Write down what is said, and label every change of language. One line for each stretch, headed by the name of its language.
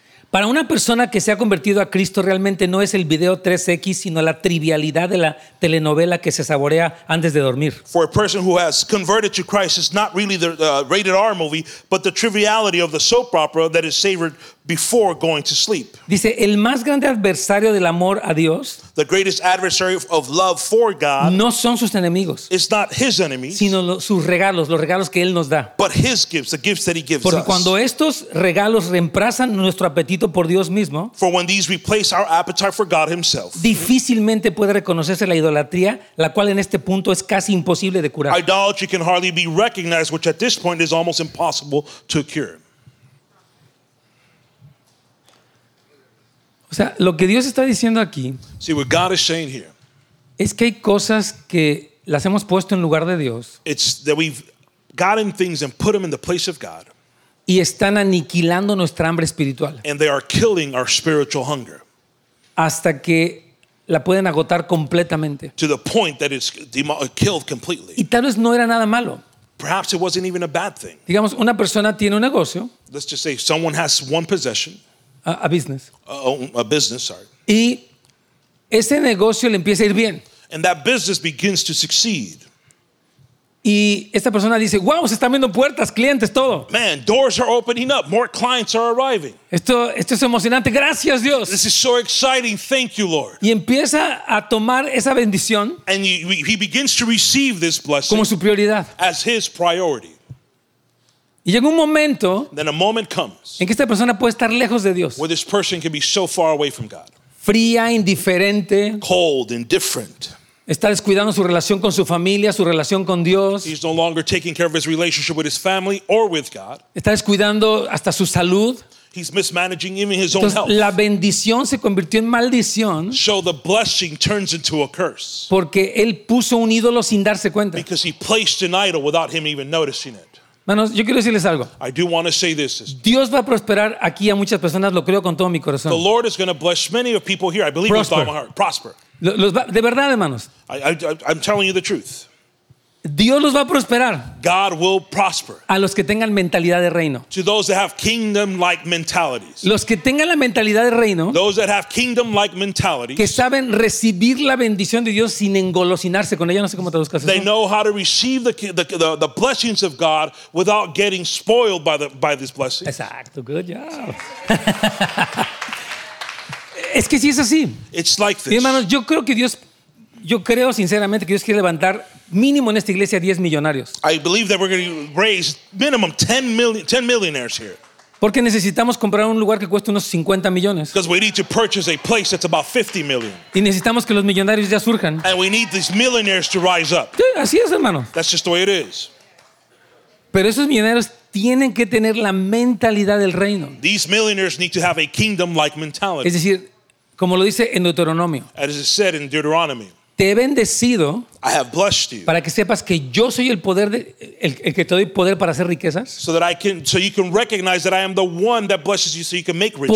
Spanish: Para una persona que se ha convertido a Cristo realmente no es el video 3X sino la trivialidad de la telenovela que se saborea antes de dormir.
English: For a person who has converted to Christ it's not really the rated R movie but the triviality of the soap opera that is savored before going to sleep.
Spanish: Dice, el más grande adversario del amor a Dios
English: the greatest adversary of love for God,
Spanish: no son sus enemigos,
English: it's not his enemies,
Spanish: sino sus regalos, los regalos que él nos da.
English: But his gifts, the gifts that he gives
Spanish: Porque
English: us.
Spanish: Cuando estos regalos reemplazan nuestro apetito por Dios mismo,
English: for when these replace our appetite for God himself,
Spanish: difícilmente puede reconocerse la idolatría, la cual en este punto es casi imposible de curar.
English: Idolatry can hardly be recognized, which at this point is almost impossible to cure.
Spanish: O sea, lo que Dios está diciendo aquí,
English: see, what God is saying here,
Spanish: es que hay cosas que las hemos puesto en lugar de Dios.
English: It's that we've gotten things and put them in the place of God.
Spanish: Y están aniquilando nuestra hambre espiritual.
English: And they are killing our spiritual hunger.
Spanish: Hasta que la pueden agotar completamente.
English: To the point that it's killed completely.
Spanish: Y tal vez no era nada malo.
English: Perhaps it wasn't even a bad thing.
Spanish: Digamos, una persona tiene un negocio.
English: Let's just say someone has one possession.
Spanish: Y ese negocio le empieza a ir bien.
English: And that business begins to succeed.
Spanish: Y esta persona dice, wow, se están abriendo puertas, clientes, todo.
English: Man, doors are opening up, more clients are arriving.
Spanish: Esto es emocionante, gracias Dios.
English: This is so exciting, thank you Lord.
Spanish: Y empieza a tomar esa bendición.
English: And he begins to receive this blessing.
Spanish: Como su prioridad.
English: As his priority.
Spanish: Y llega un momento
English: moment comes,
Spanish: en que esta persona puede estar lejos de Dios.
English: Where this person can be so far away from God.
Spanish: Fría, indiferente.
English: Cold, indifferent.
Spanish: Está descuidando su relación con su familia, su relación con Dios.
English: He's no longer taking care of his relationship with his family or with God.
Spanish: Está descuidando hasta su salud.
English: He's mismanaging even his
Spanish: Entonces,
English: own health.
Spanish: La bendición se convirtió en maldición.
English: So the blessing turns into a curse.
Spanish: Porque él puso un ídolo sin darse cuenta.
English: Because he placed an idol without him even noticing it.
Spanish: Manos, yo quiero decirles algo.
English: I do want to say this.
Spanish: Dios va a prosperar aquí a muchas personas, lo creo con todo mi corazón.
English: The Lord is going to bless many of people here. I believe prosper. With all my heart. Prosper.
Spanish: De verdad, hermanos.
English: I'm telling you the truth.
Spanish: Dios los va a prosperar.
English: God will prosper.
Spanish: A los que tengan mentalidad de reino.
English: To those that have kingdom-like mentalities.
Spanish: Los que tengan la mentalidad de reino.
English: Those that have kingdom-like mentalities.
Spanish: Que saben recibir la bendición de Dios sin engolosinarse con ella. No sé cómo traduzcas eso.
English: They know how to receive the blessings of God without getting spoiled by these blessings.
Spanish: Exacto.
English: Good job.
Spanish: Es que sí es así.
English: It's like this.
Spanish: Y hermanos, yo creo sinceramente que Dios quiere levantar mínimo en esta iglesia 10 millonarios.
English: I believe that we're going to raise minimum 10 millionaires here.
Spanish: Porque necesitamos comprar un lugar que cueste unos 50 millones.
English: Because we need to purchase a place that's about 50 million.
Spanish: Y necesitamos que los millonarios ya surjan.
English: And we need these millionaires to rise up.
Spanish: Sí, así es, hermano.
English: That's just the way it is.
Spanish: Pero esos millonarios tienen que tener la mentalidad del reino.
English: These millionaires need to have a kingdom-like mentality.
Spanish: Es decir, como lo dice en Deuteronomio.
English: As it said in Deuteronomy.
Spanish: Te he bendecido.
English: I have blessed you.
Spanish: Para que sepas que yo soy el poder de el que te doy poder para hacer riquezas.
English: So that I can, so you can recognize that I am the one that blesses you, so you can make riches.